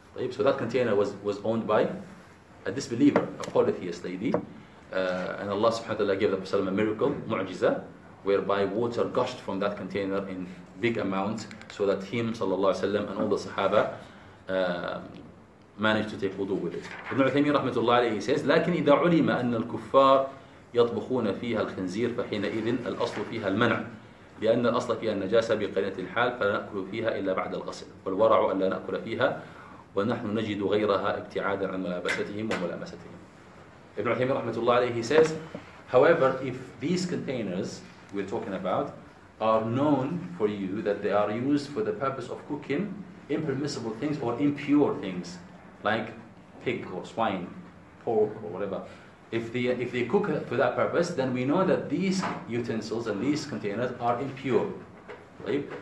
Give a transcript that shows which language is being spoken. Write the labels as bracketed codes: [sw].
[en] So that container was owned by a disbeliever, a polytheist lady. And Allah subhanahu wa ta'ala gave the Prophet a miracle, mu'jiza, whereby water gushed from that container in big amount, so that him sallallahu alayhi wa sallam and all the Sahaba managed to take wudu with it. Ibn Uthaymeen rahmatullah alayhi says, [ar] لكن إذا علم أن الكفار يطبخون فيها الخنزير فحينئذ الأصل فيها المنع لأن الأصل فيها النجاسة بقرينة الحال فلا نأكل فيها إلا بعد الغسل والورع أن لا نأكل فيها ونحن نجد غيرها ابتعادا عن ملابستهم وملامستهم. [en] Ibn Uthaymeen rahmatullah alayhi says, however, if these containers we're talking about are known for you that they are used for the purpose of cooking impermissible things or impure things, like pig or swine, pork or whatever, if they cook for that purpose, then we know that these utensils and these containers are impure, right?